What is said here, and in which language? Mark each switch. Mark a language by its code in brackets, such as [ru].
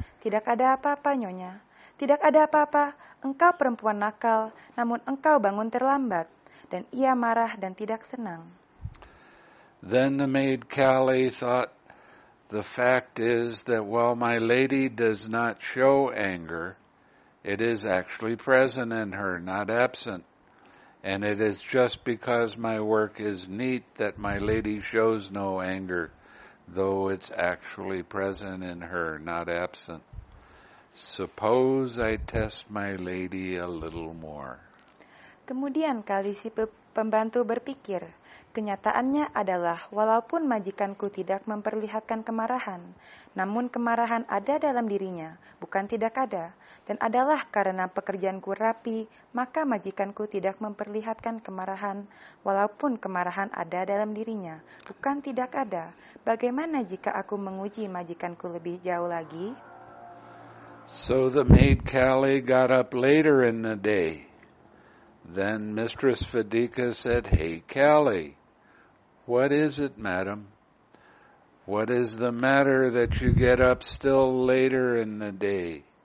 [id] Tidak ada apa-apa, Nyonya. Tidak ada apa-apa. Engkau perempuan nakal, namun engkau bangun terlambat." Dan ia marah dan tidak senang. [en] Then the maid Kali thought, "The fact is that while my lady does not show anger, it is actually present in her, not absent. And it is just because my work is neat that my lady shows no anger, though it's actually present in her, not absent. Suppose I test my lady a little more." [id] Kemudian Kali si pembantu berpikir, kenyataannya adalah walaupun majikanku tidak memperlihatkan kemarahan, namun kemarahan ada dalam dirinya, bukan tidak ada, dan adalah karena pekerjaanku rapi, maka majikanku tidak memperlihatkan kemarahan, walaupun kemarahan ada dalam dirinya, bukan tidak ada. Bagaimana jika aku menguji majikanku lebih jauh lagi? [en] So the maid Kali got up later in the day. Then Mistress Vidika said, "Hey, Kali, what is it, madam? What is the matter that you get up still later in the day?"